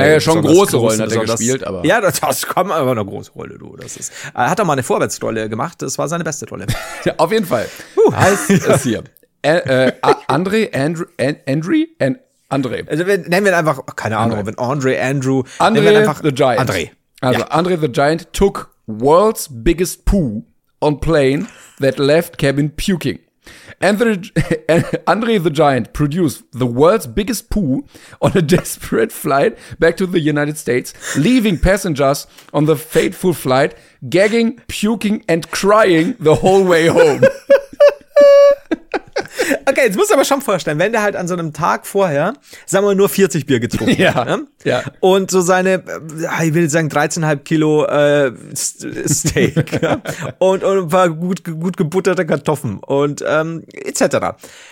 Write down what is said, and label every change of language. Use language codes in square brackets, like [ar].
[de] Naja, schon große Rollen hat er gespielt, aber. Ja, das kommt aber eine große Rolle, du. Das ist. Er hat auch mal eine Vorwärtsrolle gemacht. Das war seine beste Rolle. Ja, auf jeden Fall. Heißt es hier. Andre? Also nennen wir ihn einfach, keine Ahnung, wenn Andre, Andrew. Andre the Giant. Andre. Also ja. [en] Andre the Giant took world's biggest poo on plane that left cabin puking. Andre the Giant produced the world's biggest poo on a desperate flight back to the United States, leaving passengers on the fateful flight gagging, puking and crying the whole way home. [de] Okay, jetzt musst du aber schon vorstellen, wenn der halt an so einem Tag vorher, sagen wir mal, nur 40 Bier getrunken hat, ja, ne? Ja. Und so seine, ich will sagen, 13,5 Kilo Steak, ja? und ein paar gut gebutterte Kartoffeln und etc.